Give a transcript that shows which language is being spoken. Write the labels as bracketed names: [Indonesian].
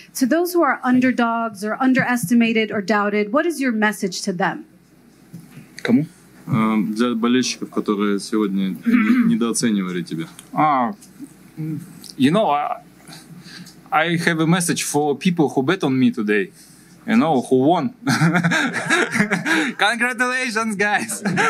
[English] To those who are underdogs or underestimated or doubted, what is your message to them? [Russian] Кому? Для болельщиков, которые сегодня недооценивали тебя. [English] You know, I have a message for people who bet on me today. You know, who won. Congratulations, guys!